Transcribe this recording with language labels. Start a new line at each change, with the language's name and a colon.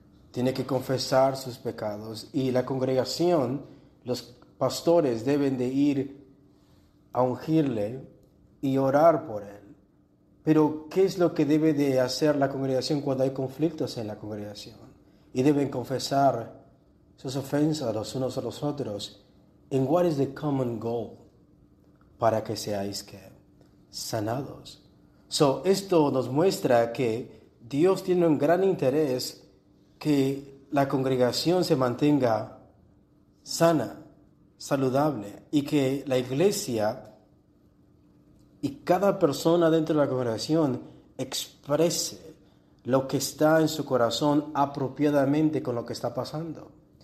Spanish: Tiene que confesar sus pecados. Y la congregación, los pastores deben de ir a ungirle y orar por él. Pero ¿qué es lo que debe de hacer la congregación cuando hay conflictos en la congregación? Y deben confesar sus ofensas los unos a los otros.
English: And what is the common goal?
Spanish: Para que seáis que sanados. So, esto nos muestra que Dios tiene un gran interés que la congregación se mantenga sana, saludable, y que la iglesia y cada persona dentro de la congregación exprese lo que está en su corazón apropiadamente con lo que está pasando.